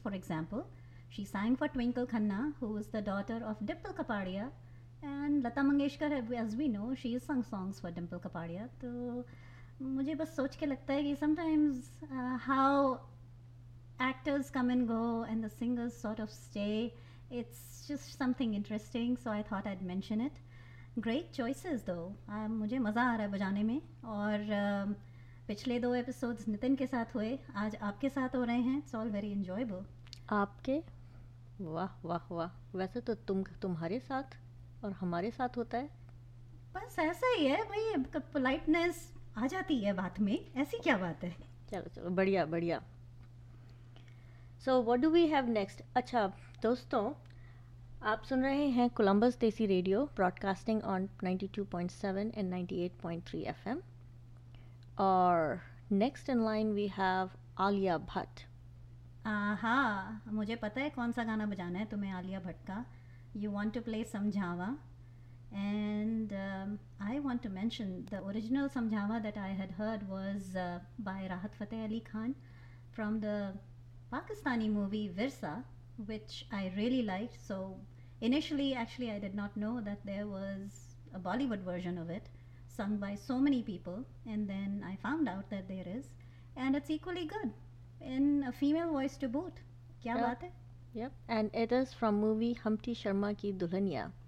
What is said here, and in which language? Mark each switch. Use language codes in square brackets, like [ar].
[en] For example, she sang for Twinkle Khanna, who is the daughter of Dimple Kapadia, and Lata Mangeshkar, as we know, she has sung songs for Dimple Kapadia. So [hi] mujhe bas soch ke lagta hai ki [en] sometimes how actors come and go and the singers sort of stay, it's just something interesting, so I thought I'd mention it. Great choices though. [hi] मुझे मज़ा आ रहा है बजाने में. और पिछले दो episodes Nitin के साथ हुए, आज आपके साथ हो रहे हैं. [en] It's all very enjoyable. [hi] आपके वाह वाह वाह. वैसे तो तुम्हारे साथ और हमारे साथ होता है. बस ऐसा ही है भाई, पोलाइटनेस आ जाती है बात में. ऐसी क्या बात है. चलो चलो, बढ़िया बढ़िया. [en] So what do we have next. [hi] अच्छा दोस्तों, आप सुन रहे हैं कोलंबस देसी radio [en] Broadcasting on 92.7 and 98.3 FM. और next in line we have Alia Bhatt. [hi] हाँ, मुझे पता है कौन सा गाना बजाना है तुम्हें आलिया भट्ट का. [en] You want to play Samjhawan, and I want to mention the original Samjhawan that I had heard was by Rahat Fateh Ali Khan from the Pakistani movie Virsa, which I really liked. So initially, actually, I did not know that there was a Bollywood version of it sung by so many people, and then I found out that there is, and it's equally good in a female voice to boot. [hi] Kya baat hai? [en] Yep, and it is from movie Humpty Sharma Ki Dulhania.